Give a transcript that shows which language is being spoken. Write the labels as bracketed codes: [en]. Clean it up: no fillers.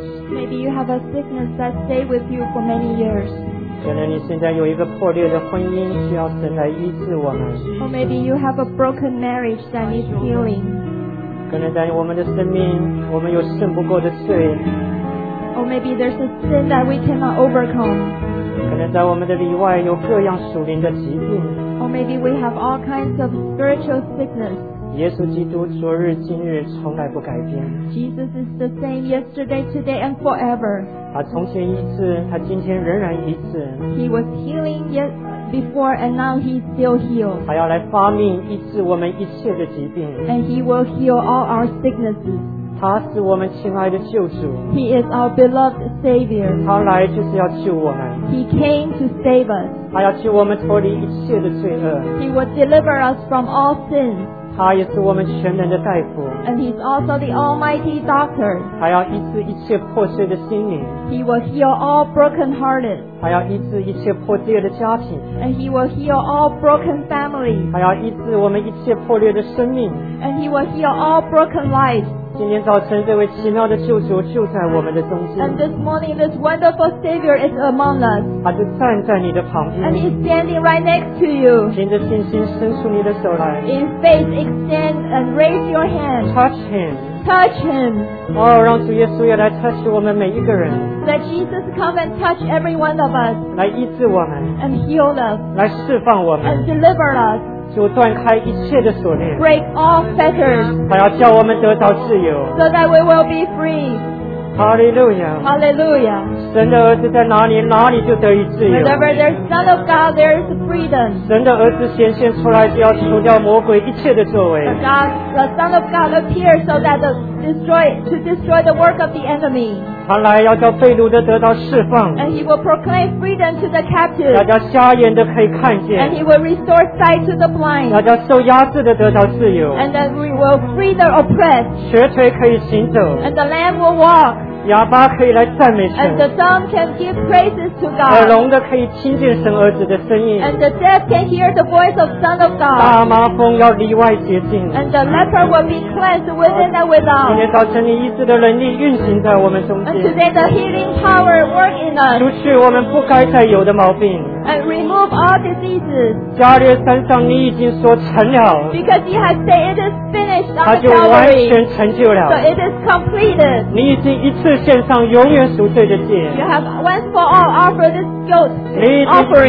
[en] Maybe you have a sickness that stay with you for many years. [zh] 可能你现在有一个破裂的婚姻，需要神来医治我们。 [en] Or maybe you have a broken marriage that needs healing. [zh] 可能在我们的生命，我们有胜不过的罪。 [en] Or maybe there's a sin that we cannot overcome. [zh] 可能在我们的里外有各样属灵的疾病。 [en] Or maybe we have all kinds of spiritual sickness. [zh] 耶稣基督昨日今日从来不改变。 [en] Jesus is the same yesterday, today, and forever. [zh] 他从前医治，他今天仍然医治。 [en] He was healing yet before, and now he's still healed. [zh] 他要来发命医治我们一切的疾病。 [en] And he will heal all our sicknesses. [zh] 他是我们亲爱的救主。 [en] He is our beloved Savior. [zh] 他来就是要救我们。 [en] He came to save us. [zh] 他要救我们脱离一切的罪恶。 [en] He will deliver us from all sins. [zh] 他也是我们全能的大夫。 [en] And he's also the almighty doctor. [zh] 他要医治一切破碎的心灵。 [en] He will heal all broken hearted. [zh] 他要医治一切破裂的家庭。 [en] And he will heal all broken families. [zh] 他要医治我们一切破裂的生命。 [en] And he will heal all broken lives. [zh] 今天早晨这位奇妙的救主就在我们的中间。 [en] And this morning this wonderful Savior is among us. [zh] 他就站在你的旁边。 [en] And he's standing right next to you. [zh] 凭着信心伸出你的手来。 [en] In faith extend and raise your hand. Touch him. Touch him. [zh] 哦，让主耶稣也来 touch 我们每一个人。 [en] Let Jesus come and touch every one of us. [zh] 来医治我们。 [en] And heal us. [zh] 来释放我们。 [en] And deliver us. [zh] 主断开一切的锁链 [en] Break all fetters [zh] 他要叫我们得到自由 [en] So that we will be free Hallelujah Hallelujah [zh] 神的儿子在哪里哪里就得以自由 [en] Whenever there's Son of God there is freedom [zh] 神的儿子显现出来就要除掉魔鬼一切的作为 [en] The Son of God appears so that to destroy the work of the enemy [zh] 他来要叫被掳的得到释放 [en] And he will proclaim freedom to the captive [zh] 要叫瞎眼的可以看见 [en] And he will restore sight to the blind [zh] 要叫受压制的得到自由 [en] And that we will free the oppressed [zh] 瘸腿可以行走 [en] And the lame will walk [zh] 哑巴可以来赞美神 [en] And the dumb can give praises to God [zh] 耳聋的可以听见神儿子的声音 [en] And the deaf can hear the voice of Son of God [zh] 大麻风要里外洁净 [en] And the leper will be cleansed within and without [zh] 今天早晨你医治的能力运行在我们中间 [en] And today the healing power work in us [zh] 除去我们不该再有的毛病 [en] And remove all diseases [zh] 加略山上你已经说成了 [en] Because he has said it is finished on the Calvary [zh] 他就完全成就了 [en] So it is completed [zh] 你已经一次献上永远赎罪的祭 [en] You have once for all offered this guilt offering